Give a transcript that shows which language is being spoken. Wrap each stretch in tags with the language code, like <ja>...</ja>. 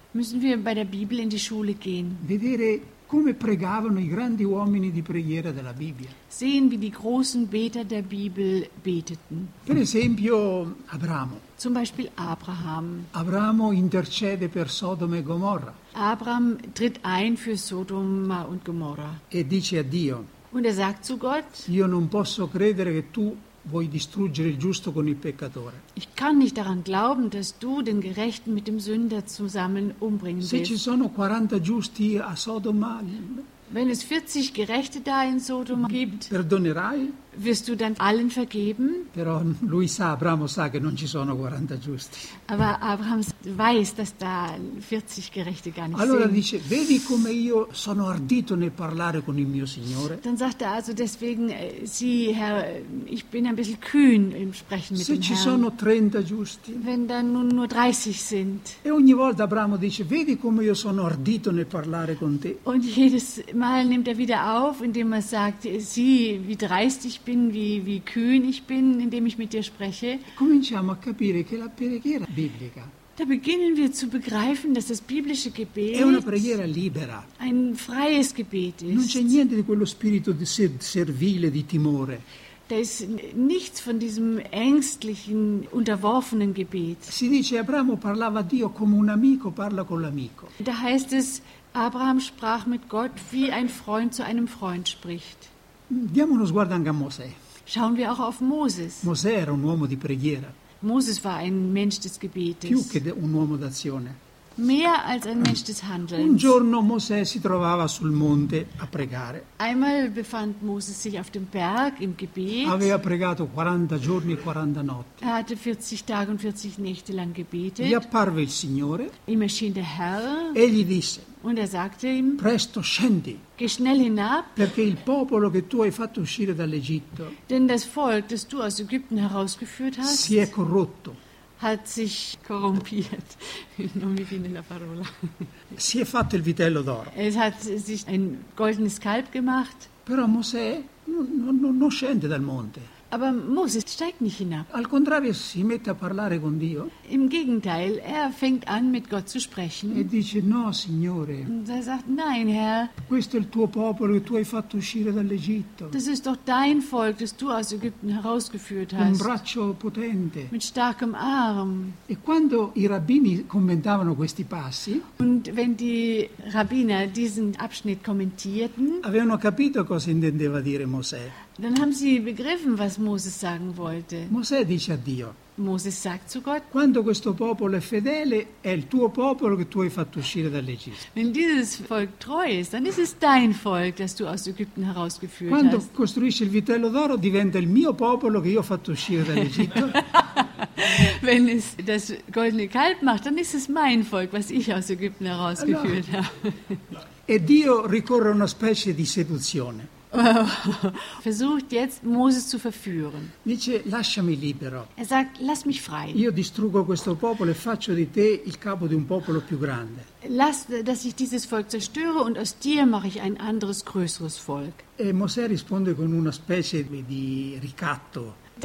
<de>Müssen wir bei der Bibel in die Schule gehen.</de> <it>Vedere come pregavano i grandi uomini di preghiera della Bibbia.</it> <de>Sehen, wie die großen Beter der Bibel beteten.</de> <it>Per esempio Abramo.</it> <de>Zum Beispiel Abraham.</de> <it>Abramo intercede per Sodoma e Gomorra.</it> <de>Abraham tritt ein für Sodoma und Gomorra.</de> <it>E dice a Dio.</it> <de>Und er sagt zu Gott.</de> <it>Io non posso credere che tu vuoi distruggere il giusto con il peccatore.</it> <de>Ich kann nicht daran glauben, dass du den Gerechten mit dem Sünder zusammen umbringen willst.</de> <it>Se ci sono 40 giusti a Sodoma,</it> <de>wenn es 40 Gerechte da in Sodom gibt,</de> <it>perdonerai?</it> <de>Wirst du dann allen vergeben?</de> <it>Però lui sa, Abramo sa che non ci sono 40 giusti.</it> <de>Aber Abraham weiß, dass da 40 Gerechte gar nicht</de> <it>allora Allora dice, vedi come io sono ardito nel parlare con il mio Signore?</it> <de>Dann sagt er also deswegen, sie, Herr, ich bin ein bisschen kühn im Sprechen</de> <it>se</it> <de>mit dem Herrn.</de> <it>Se ci sono 30 giusti?</it> <de>Wenn dann nun nur 30 sind.</de> <it>E ogni volta Abramo dice, vedi come io sono ardito nel parlare con te?</it> <de>Und jedes Mal nimmt er wieder auf, indem er sagt, sieh, wie dreist ich bin, wie kühn ich bin, indem ich mit dir spreche.</de> <it>Cominciamo a capire che la preghiera biblica.</it> <de>Da beginnen wir zu begreifen, dass das biblische Gebet</de> <it>è una preghiera libera.</it> <de>Ein freies Gebet ist.</de> <it>Non c'è niente di quello spirito di servile, di timore.</it> <de>Da ist nichts von diesem ängstlichen, unterworfenen Gebet.</de> <it>Si dice Abramo parlava a Dio come un amico parla con l'amico.</it> <de>Da heißt es, Abraham sprach mit Gott, wie ein Freund zu einem Freund spricht.</de> <it>Diamo uno sguardo anche a Mosè.</it> <de>Schauen wir auch auf Moses.</de> <it>Mosè era un uomo di preghiera.</it> <de>Moses war ein Mensch des Gebetes.</de> <it>Più che un uomo d'azione.</it> <de>Mehr als ein Mensch des Handelns.</de> <it>Un giorno Mosè si trovava sul monte a pregare.</it> <de>Einmal befand Moses sich auf dem Berg im Gebet.</de> <it>Aveva pregato 40 giorni e 40 notti.</it> <de>Er hatte 40 Tage und 40 Nächte lang gebetet.</de> <it>Gli apparve il Signore.</it> <de>Ihm erschien der Herr.</de> <it>E gli disse.</it> <de>Und er sagte ihm,</de> <it>presto scendi,</it> <de>geh schnell hinab,</de> <it>perché il popolo che tu hai fatto uscire dall'Egitto,</it> <de>denn das Volk, das du aus Ägypten herausgeführt hast,</de> <it>si è corrotto,</it> <de>hat sich korrumpiert,</de> <it>non mi viene la parola, si è fatto il vitello d'oro,</it> <de>es hat sich ein goldenes Kalb gemacht,</de> <it>però Mosè non scende dal monte.</it> <de>Aber Moses steigt nicht hinab.</de> <it>Al contrario, si mette a parlare con Dio.</it> <de>Im Gegenteil, er fängt an, mit Gott zu sprechen.</de> <it>E dice, no, Signore.</it> <de>Und er sagt, nein, Herr.</de> <it>Questo è il tuo popolo che tu hai fatto uscire dall'Egitto.</it> <de>Das ist doch dein Volk, das du aus Ägypten herausgeführt hast.</de> <it>Un braccio potente.</it> <de>Mit starkem Arm.</de> <it>E quando i rabbini commentavano questi passi,</it> <de>und wenn die Rabbiner diesen Abschnitt kommentierten,</de> <it>avevano capito cosa intendeva dire Mosè.</it> <de>Dann haben sie begriffen, was Moses sagen wollte.</de> <it>Mosè dice a Dio.</it> <de>Moses sagt zu Gott.</de> <it>Quando questo popolo è fedele, è il tuo popolo che tu hai fatto uscire dall'Egitto.</it> <de>Wenn dieses Volk treu ist, dann ist es dein Volk, das du aus Ägypten herausgeführt</de> <it>quando</it> <de>hast.</de> <it>Quando costruisce il vitello d'oro, diventa il mio popolo che io ho fatto uscire dall'Egitto.</it> <de>Wenn es das goldene Kalb macht, dann ist es mein Volk, was ich aus Ägypten herausgeführt habe.</de> <it>E Dio ricorre a una specie di seduzione.</it> <de>Versucht jetzt Moses zu verführen.</de> <it>Dice, lasciami libero.</it> <de>Er sagt, lass mich frei.</de> <it>Io distruggo questo popolo e faccio di te il capo di un popolo più grande.</it> <de>Lass, dass ich dieses Volk zerstöre und aus dir mache ich ein anderes größeres Volk.</de> <it>E Mosè risponde con una specie di ricatto.</it>